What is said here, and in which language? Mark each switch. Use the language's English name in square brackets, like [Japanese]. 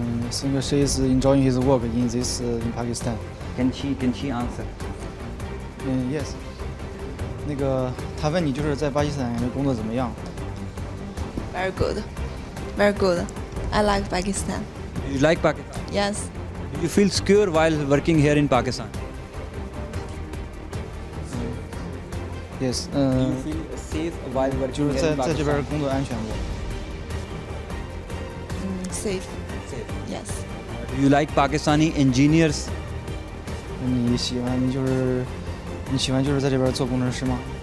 [English] So she is enjoying his work in this in Pakistan. Can she answer? Yes. [Chinese] 那个他问你就是在巴基斯坦工作怎么样? [English] Very good. Very good. I like Pakistan. You like Pakistan? Yes. Do you feel secure while working here in Pakistan? Yes. Do you feel safe while working here in Pakistan? [Chinese] 就是在这边工作安全不? [English] Safe. Yes. Do you like Pakistani engineers? [Chinese] 你喜欢就是在这边做工程师吗?